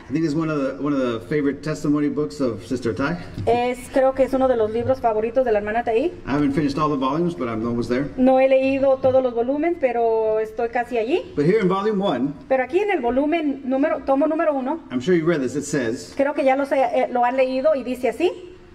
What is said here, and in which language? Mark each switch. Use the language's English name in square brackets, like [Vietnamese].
[English] I think it's one of the favorite testimony books of Sister Tai. [Spanish] Creo que es uno de los libros favoritos de la hermana Tai. [English] I haven't finished all the volumes, but I'm almost there. [Spanish] No he leído todos los volúmenes, pero estoy casi allí. [English] But here in volume one. [Spanish] Pero aquí en el volumen tomo número uno. [English] I'm sure you read this. It says. [Spanish] Creo que ya lo han leído y dice así.